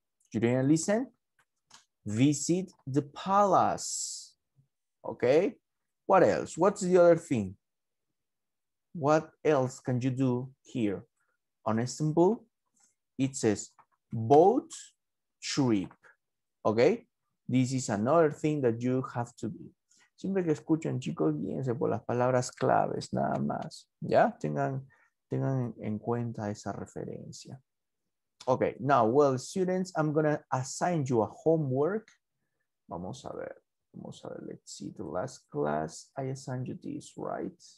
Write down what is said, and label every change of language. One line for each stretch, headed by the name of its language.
English: You didn't listen? Visit the palace, okay? What else? What's the other thing? What else can you do here? On Istanbul, it says boat trip, okay? This is another thing that you have to do.
Spanish: Siempre que escuchen, chicos, guíense por las palabras claves, nada más. ¿Ya? Tengan en cuenta esa referencia.
English: Okay, now, well, students, I'm gonna assign you a homework.
Spanish: Vamos a ver,
English: let's see, the last class, I assigned you this, right?